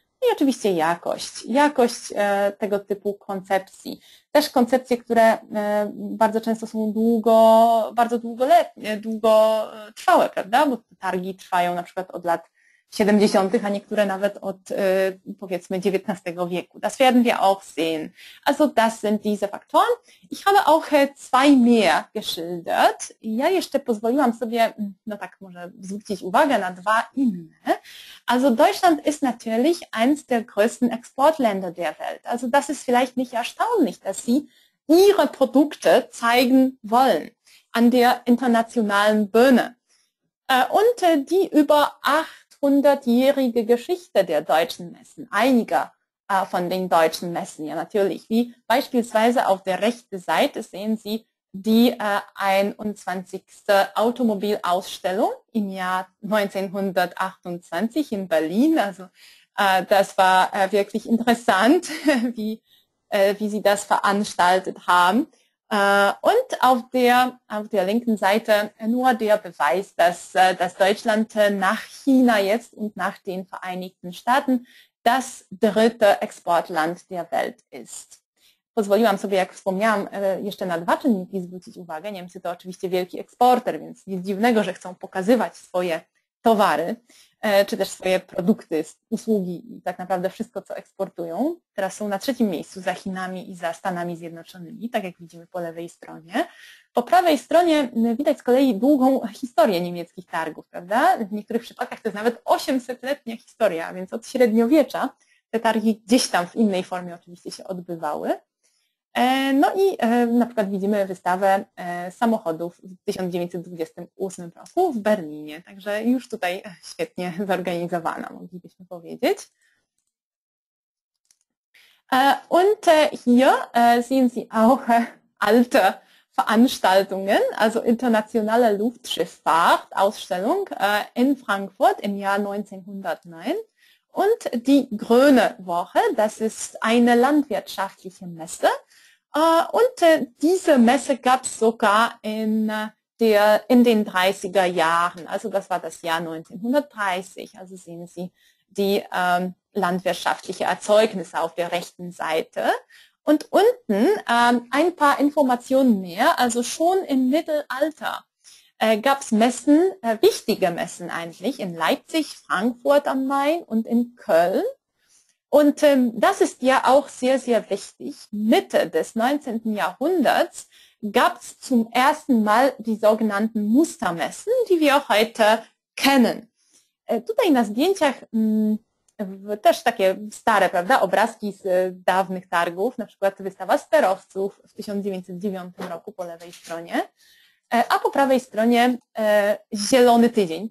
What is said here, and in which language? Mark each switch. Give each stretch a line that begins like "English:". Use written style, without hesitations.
Polish: i oczywiście jakość. Jakość tego typu koncepcji. Też koncepcje, które bardzo często są długotrwałe, prawda? Bo targi trwają na przykład od lat 70., a niektóre nawet od powiedzmy XIX wieku.
German: Das werden wir auch sehen. Also das sind diese Faktoren. Ich habe auch zwei mehr geschildert.
Polish: Ja jeszcze pozwoliłam sobie, no tak może zwrócić uwagę na dwa inne.
German: Also Deutschland ist natürlich eins der größten Exportländer der Welt. Also das ist vielleicht nicht erstaunlich, dass Sie Ihre Produkte zeigen wollen an der internationalen Bühne. Und die über 800-jährige Geschichte der deutschen Messen, einiger von den deutschen Messen, ja natürlich, wie beispielsweise auf der rechten Seite sehen Sie die 21. Automobilausstellung im Jahr 1928 in Berlin. Also das war wirklich interessant, wie Sie das veranstaltet haben. Und auf der linken Seite nur der Beweis, dass Deutschland nach China jetzt und nach den Vereinigten Staaten das dritte Exportland der Welt ist.
Polish: Pozwoliłam sobie, jak wspomniałam, jeszcze na dwa czynniki zwrócić uwagę. Niemcy to oczywiście wielki eksporter, więc nic dziwnego, że chcą pokazywać swoje towary, czy też swoje produkty, usługi i tak naprawdę wszystko, co eksportują. Teraz są na trzecim miejscu za Chinami i za Stanami Zjednoczonymi, tak jak widzimy po lewej stronie. Po prawej stronie widać z kolei długą historię niemieckich targów, prawda? W niektórych przypadkach to jest nawet 800-letnia historia, więc od średniowiecza te targi gdzieś tam w innej formie oczywiście się odbywały. No i na przykład widzimy wystawę samochodów w 1928 roku w Berlinie, także już tutaj świetnie zorganizowana, moglibyśmy powiedzieć.
German: Und hier sehen Sie auch alte Veranstaltungen, also internationale Luftschifffahrtausstellung in Frankfurt im Jahr 1909. Und die Grüne Woche, das ist eine landwirtschaftliche Messe. Und diese Messe gab es sogar in den 30er Jahren, also das war das Jahr 1930, also sehen Sie die landwirtschaftliche Erzeugnisse auf der rechten Seite. Und unten ein paar Informationen mehr, also schon im Mittelalter gab es Messen, wichtige Messen eigentlich, in Leipzig, Frankfurt am Main und in Köln. Und das ist ja auch sehr, sehr wichtig. Mitte des 19. Jahrhunderts gab es zum ersten Mal die sogenannten Mustermessen, die wir heute kennen.
Polish: Tutaj na zdjęciach też takie stare, prawda, obrazki z dawnych targów, na przykład wystawa sterowców w 1909 roku po lewej stronie, a po prawej stronie Zielony Tydzień.